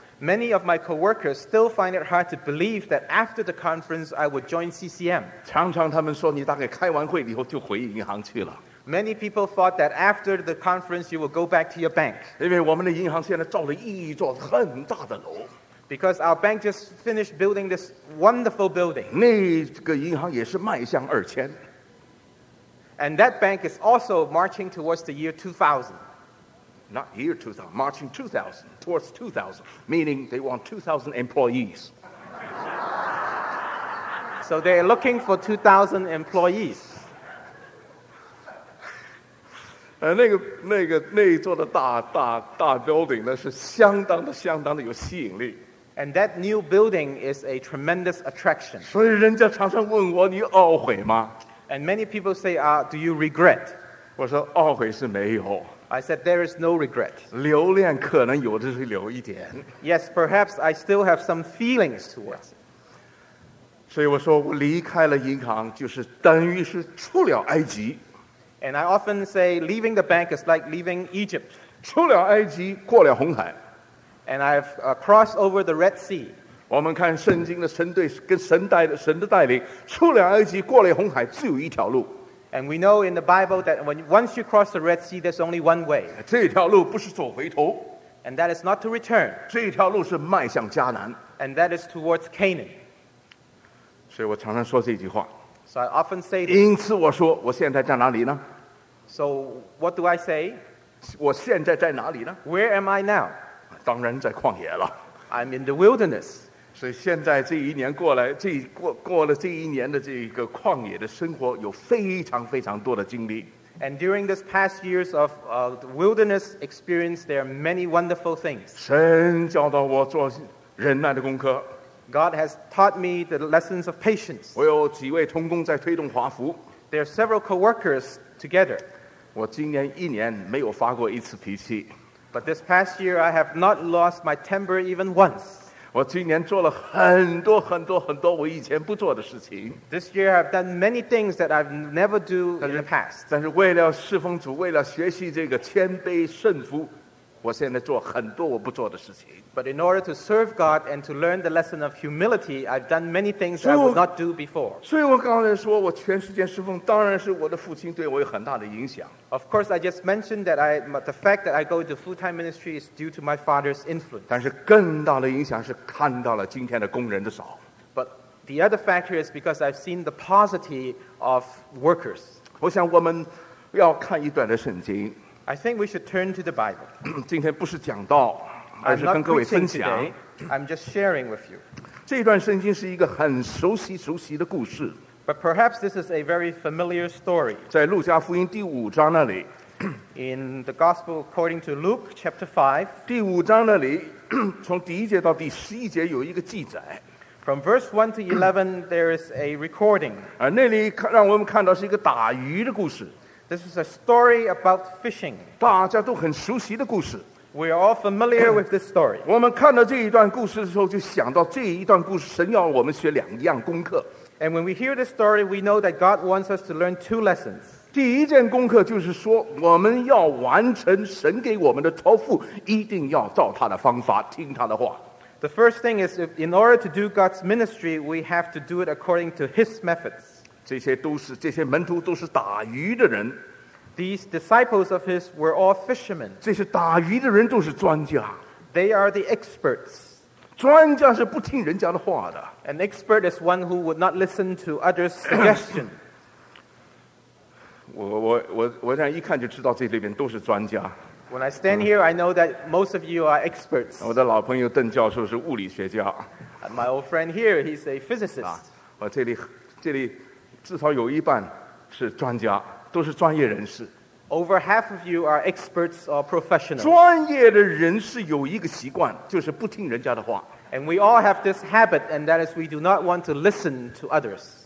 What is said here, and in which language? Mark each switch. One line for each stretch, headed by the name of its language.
English: Many of my co-workers still find it hard to believe that after the conference I would join CCM.
Chinese: 常常他们说你大概开完会以后就回银行去了。
English: Many people thought that after the conference you would go back to your bank.
Chinese: 因为我们的银行现在造了一座很大的楼。
English: Because our bank just finished building this wonderful building.
Chinese: 那个银行也是迈向二千。
English: And that bank is also marching towards the year 2000. Not year 2000, marching 2000, towards 2000. Meaning they want 2000 employees. So they're looking for 2000 employees.
Chinese: 那座的大 building 呢是相当的相当的有吸引力。
English: And that new building is a tremendous attraction.
Chinese: 所以人家常常问我，你懊悔吗？
English: And many people say, do you regret?
Chinese: 我说懊悔是没有。
English: I said, there is no regret.
Chinese: 留恋可能有的是留一点。
English: Yes, perhaps I still have some feelings towards it.
Chinese: 所以我说我离开了银行就是等于是出了埃及。
English: And I often say, leaving the bank is like leaving Egypt.
Chinese: 出了埃及，过了红海。
English: And I've crossed over the Red Sea.
Chinese: 我们看圣经的神对跟神带的神的带领，出了埃及，过了红海，只有一条路。
English: And we know in the Bible that once you cross the Red Sea, there's only one way.
Chinese: 这条路不是走回头。
English: And that is not to return.
Chinese: 这条路是迈向迦南。
English: And that is towards Canaan.
Chinese: 所以我常常说这句话。
English: So I often say.
Chinese: 因此我说，我现在在哪里呢
English: ？So what do I say?
Chinese: 我现在在哪里呢
English: ？Where am I now?
Chinese: 当然在旷野了。
English: I'm in the wilderness.
Chinese: 所以现在这一年过来，过了这一年的这个旷野的生活，有非常非常多的经历。
English: And during this past years of wilderness experience, there are many wonderful things.
Chinese: 神教导我做忍耐的功课。
English: God has taught me the lessons of patience.
Chinese: 我有几位同工在推动华福。
English: There are several co-workers together.
Chinese: 我今年一年没有发过一次脾气。
English: But this past year, I have not lost my temper even once.
Chinese: 我今年做了很多很多很多我以前不做的事情。
English: This year, I've done many things that I've never do in the past.
Chinese: 但是为了侍奉主，为了学习这个谦卑顺服，我现在做很多我不做的事情。
English: But in order to serve God and to learn the lesson of humility, I've done many things I would not do before.
Chinese: 所以我刚才说，我全时间侍奉，当然是我的父亲对我有很大的影响。
English: Of course, I just mentioned that the fact that I go into full-time ministry is due to my father's influence.
Chinese: 但是更大的影响是看到了今天的工人的少。
English: But the other factor is because I've seen the paucity of workers.
Chinese: 我想我们要看一段的圣经。
English: I think we should turn to the Bible.
Chinese: 今天不是讲道，而是跟各位分享。
English: I'm just sharing with you.
Chinese: 这段圣经是一个很熟悉熟悉的故事。
English: But perhaps this is a very familiar story.
Chinese: 在路加福音第五章那里。
English: In the Gospel according to Luke chapter 5.
Chinese: 第五章那里，从第一节到第十一节有一个记载。
English: From verse 1 to 11, there is a recording.
Chinese: 那里让我们看到是一个打鱼的故事。
English: This is a story about fishing.
Chinese: 大家都很熟悉的故事。
English: We are all familiar with this story.
Chinese: 我们看到这一段故事的时候，就想到这一段故事，神要我们学两样功课。
English: And when we hear this story, we know that God wants us to learn two lessons.
Chinese: 第一件功课就是说，我们要完成神给我们的托付，一定要照他的方法，听他的话。
English: The first thing is, in order to do God's ministry, we have to do it according to His methods.
Chinese: 这些门徒都是打鱼的人。
English: These disciples of his were all fishermen.
Chinese: 这些打鱼的人都是专家。
English: They are the experts.
Chinese: 专家是不听人家的话的。
English: An expert is one who would not listen to others' suggestion.
Chinese: 我这样一看就知道这里面都是专家。
English: When I stand here, I know that most of you are experts.
Chinese: 我的老朋友邓教授是物理学家。
English: My old friend here, he's a physicist.
Chinese: 我这里至少有一半是专家，都是专业人士。
English: Over half of you are experts or professionals.
Chinese: 专业的人士有一个习惯，就是不听人家的话。
English: And we all have this habit, and that is we do not want to listen to others.